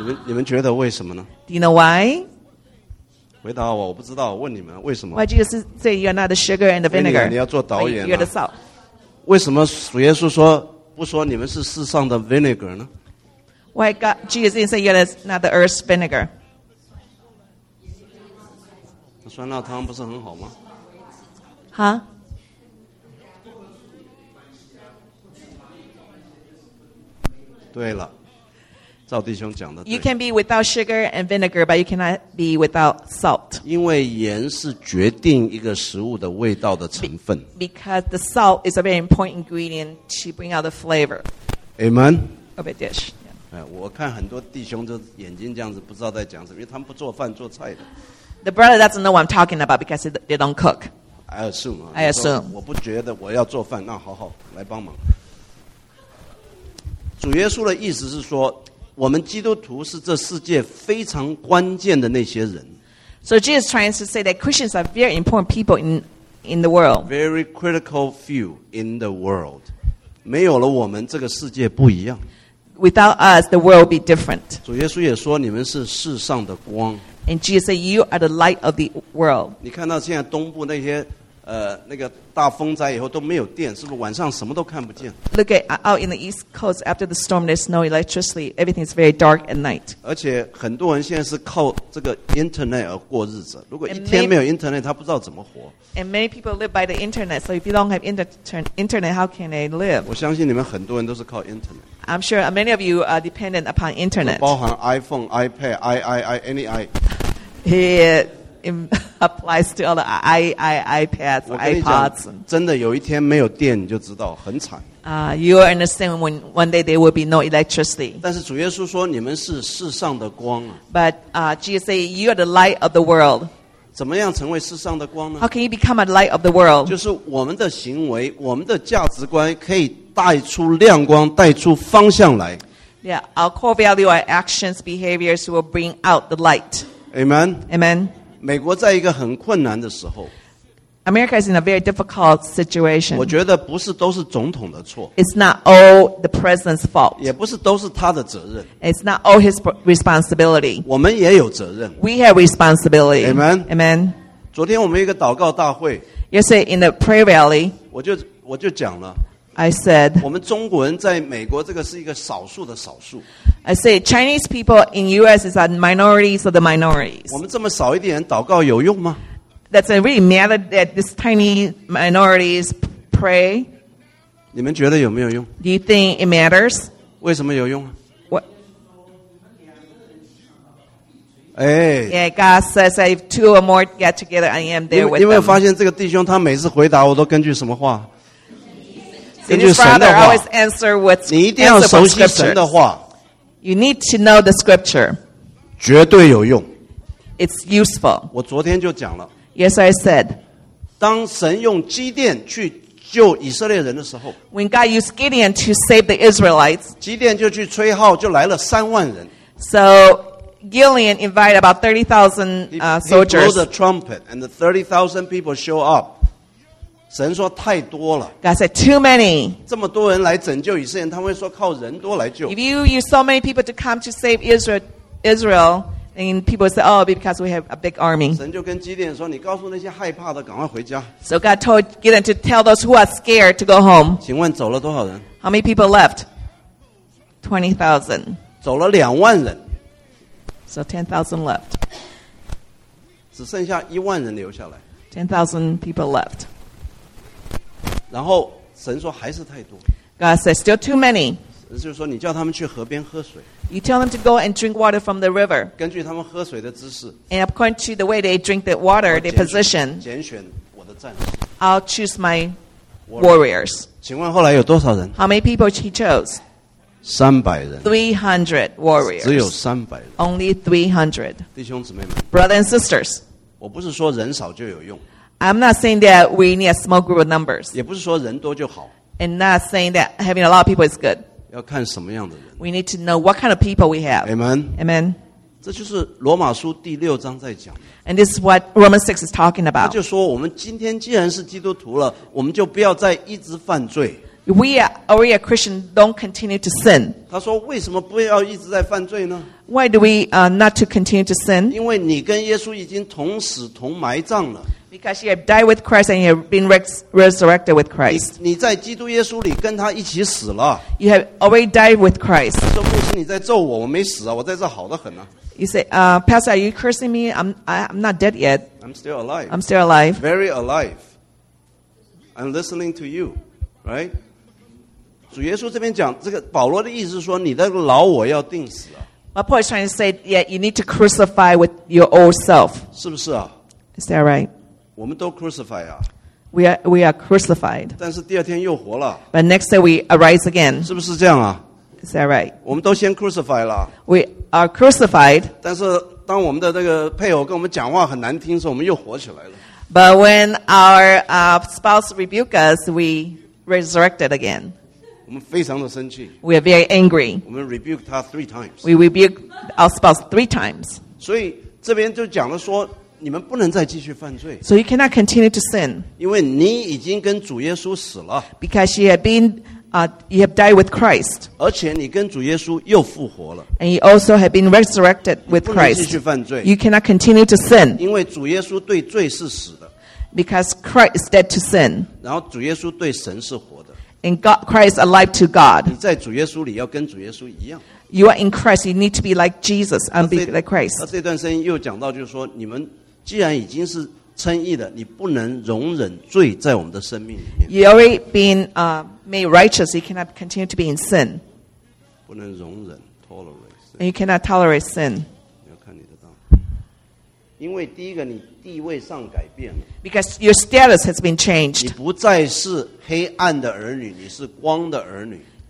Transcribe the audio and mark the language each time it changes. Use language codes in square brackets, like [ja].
[zh] 你们觉得为什么呢？ [en] Do you know why? [zh] 回答我，我不知道，我问你们为什么？ [en] Why Jesus say you are not the sugar and the vinegar? [zh] 你要做导演、啊。 [en] You are the salt. [zh] 为什么主耶稣说不说你们是世上的 vinegar 呢？ [en] Why God, Jesus didn't say you're not the earth's vinegar? [zh] 那酸辣汤不是很好吗？哈？对了，赵弟兄讲的对。 [en] You can be without sugar and vinegar, but you cannot be without salt. [zh] 因为盐是决定一个食物的味道的成分。 [en] Because the salt is a very important ingredient to bring out the flavor. Amen. Of a dish. [zh] 我看很多弟兄就眼睛这样子，不知道在讲什么，因为他们不做饭做菜的。 [en] The brother doesn't know what I'm talking about because they don't cook. I assume. I assume. [zh] 我不觉得我要做饭，那好好来帮忙。主耶稣的意思是说，我们基督徒是这世界非常关键的那些人。 [en] So Jesus is trying to say that Christians are very important people in the world. Very critical few in the world. [zh] 没有了我们，这个世界不一样。 [en] Without us, the world will be different. [zh] 主耶稣也说，你们是世上的光。 [en] And Jesus said, you are the light of the world. [zh] 你看到现在东部那些那个大风灾以后都没有电，是不是晚上什么都看不见 [en] ？Look at out in the East Coast after the storm, there's no electricity. Everything is very dark at night. [zh] 而且很多人现在是靠这个 Internet 而过日子。如果一天没有 Internet， 他不知道怎么活。 [en] And many people live by the Internet. So if you don't have Internet, how can they live? [zh] 我相信你们很多人都是靠 Internet. [en] I'm sure many of you are dependent upon Internet. [zh] 包含 iPhone, iPad, any i. [en] It applies to all the iPads, iPods. [zh] 真的有一天没有电，你就知道很惨。 [en] You understand when one day there will be no electricity. [zh] 但是主耶稣说你们是世上的光。 [en] But Jesus say you are the light of the world. [zh] 怎么样成为世上的光呢 [en] ？How can you become a light of the world? [zh] 就是我们的行为，我们的价值观可以带出亮光，带出方向来。 [en] Yeah, our core value, our actions, behaviors will bring out the light. Amen. Amen. [zh] 美国在一个很困难的时候 [en] ，America is in a very difficult situation. [zh] 我觉得不是都是总统的错 [en] ，It's not all the president's fault. [zh] 也不是都是他的责任 [en] ，It's not all his responsibility. [zh] 我们也有责任 [en] ，We have responsibility. Amen. Amen. [zh] 昨天我们一个祷告大会 [en] ，Yesterday in the prayer rally, [zh] 我就讲了 [en] ，I said, [zh] 我们中国人在美国这个是一个少数的少数。 [en] I say Chinese people in U.S. is a minority of the minorities. [zh] 我们这么少一点祷告有用吗 [en] ？That's a really matter that this tiny minorities pray. [zh] 你们觉得有没有用 [en] ？Do you think it matters? [zh] 为什么有用 [en] ？What? 哎，Yeah, God says that if two or more get together, I am there with them. [zh] 因为发现这个弟兄他每次回答我都根据什么话？根据神的话。 [en] Always answer with [zh] scripture. 你一定要熟悉神的话。 [en] You need to know the scripture. [zh] 绝对有用。 [en] It's useful. [zh] 我昨天就讲了。 [en] Yes, I said. [zh] 当神用基甸去救以色列人的时候。 [en] When God used Gideon to save the Israelites. [zh] 基甸就去吹号，就来了30,000人。 [en] So Gideon invited about 30,000 soldiers. He blew the trumpet, and the 30,000 people show up. [zh] 神说太多了。 [en] God said too many. [zh] 这么多人来拯救以色列人，他会说靠人多来救。 [en] If you use so many people to come to save Israel, then people say, oh, because we have a big army. [zh] 神就跟基甸说，你告诉那些害怕的，赶快回家。 [en] So God told Gideon to tell those who are scared to go home. [zh] 请问走了多少人 [en] ？How many people left? 20,000. [zh] 走了20,000人。 [en] So 10,000 left. [zh] 只剩下10,000人留下来。 [en] 10,000 people left. [zh] 然后神说还是太多。 [en] God said still too many. [zh] 就是说你叫他们去河边喝水。 [en] You tell them to go and drink water from the river. [zh] 根据他们喝水的姿势。 [en] And according to the way they drink the water, their position. [zh] 拣选我的战士。 [en] I'll choose my warriors. [zh] 请问后来有多少人 [en] ？How many people he chose? [zh] 300人。 [en] 300 warriors. [zh] 只有300人。 [en] Only 300. [zh] 弟兄姊妹们。 [en] Brother and sisters. [zh] 我不是说人少就有用。 [en] I'm not saying that we need a small group of numbers. [zh] 也不是说人多就好。 [en] And not saying that having a lot of people is good. [zh] 要看什么样的人。 [en] We need to know what kind of people we have. Amen. Amen. [zh] 这就是罗马书第六章在讲。 [en] And this is what Romans 6 is talking about. [zh] 他就说我们今天既然是基督徒了，我们就不要再一直犯罪。 [en] we are a Christian, don't continue to sin. [zh] 他说为什么不要一直在犯罪呢？ [en] Why do we not to continue to sin? [zh] 因为你跟耶稣已经同死同埋葬了。 [en] Because you have died with Christ and you have been resurrected with Christ. [zh] 你在基督耶稣里跟他一起死了。 [en] You have already died with Christ. [zh] 说牧师你在咒我，我没死啊，我在这好得很啊。 [en] You say, Pastor, are you cursing me? I'm not dead yet. I'm still alive. I'm still alive. Very alive. I'm listening to you, right? [zh] 主耶稣这边讲，这个保罗的意思是说，你的老我要定死啊。 [en] My Paul is trying to say, yeah, you need to crucify with your old self. [zh] 是不是啊？ [en] Is that right? [zh] 我们都 crucify 啊。 [en] We are crucified. [zh] 但是第二天又活了。 [en] But next day we arise again. [zh] 是不是这样啊？ [en] Is that right? [zh] 我们都先 crucify 了。 [en] We are crucified. [zh] 但是当我们的那个配偶跟我们讲话很难听的时候，我们又活起来了。 [en] But when our spouse rebuke us, we resurrected again. [zh] 我们非常的生气。 [en] We are very angry. [zh] 我们 rebuke 他 [en] three times. We rebuke our spouse three times. [zh] 所以这边就讲了说，你们不能再继续犯罪。 [en] So you cannot continue to sin. [zh] 因为你已经跟主耶稣死了。 [en] Because you have beenyou have died with Christ. [zh] 而且你跟主耶稣又复活了。 [en] And you also have been resurrected with Christ. [zh] 你不能继续犯罪。 [en] You cannot continue to sin. [zh] 因为主耶稣对罪是死的。 [en] Because Christ is dead to sin. [zh] 然后主耶稣对神是活的。 [en] And God, Christ is alive to God. [zh] 你在主耶稣里要跟主耶稣一样。 [en] You are in Christ. You need to be like Jesus and be like Christ. [zh] 那这段声音又讲到就是说，你们既然已经是称义的，你不能容忍罪在我们的生命里面。 [en] You already been made righteous, you cannot continue to be in sin. [zh] 不能容忍 [en] tolerate sin. And you cannot tolerate sin. [zh] 你要看你的道，因为第一个你地位上改变了。 [en] Because your status has been changed. [zh] 你不再是黑暗的儿女，你是光的儿女。